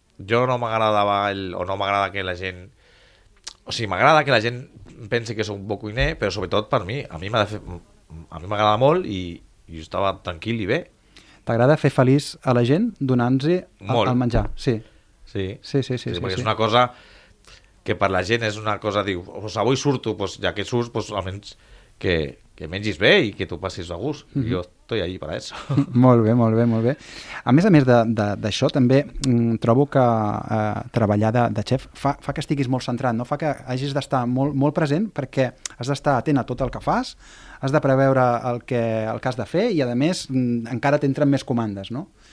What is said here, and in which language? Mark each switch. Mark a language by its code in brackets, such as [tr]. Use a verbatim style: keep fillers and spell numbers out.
[ca] Jo no m'agradava el, o no m'agrada que la gent... O sigui, m'agrada que la gent pensi que soc un bon cuiner, però sobretot per mi. A mi m'ha de fer, a mi m'agrada molt i, i estava tranquil i bé. T'agrada fer feliç a la gent donant-los el menjar? Sí. Sí. Sí, sí, sí, sí, sí, perquè sí. És una cosa que per la gent és una cosa... Diu, pues avui surto, pues, ja que surts, pues, almenys que, que mengis bé i que tu passis a gust. [es] Mm-hmm. Jo estoy allí para eso. [ca] Molt bé, molt bé, molt bé. A més a més de, de, d'això, també mm, trobo que eh, treballar de, de xef fa, fa que estiguis molt centrat, no? Fa que hagis d'estar molt, molt present perquè has d'estar atent a tot el que fas, has de preveure el que, el que has de fer i, a més, m- encara t'entren més comandes, no?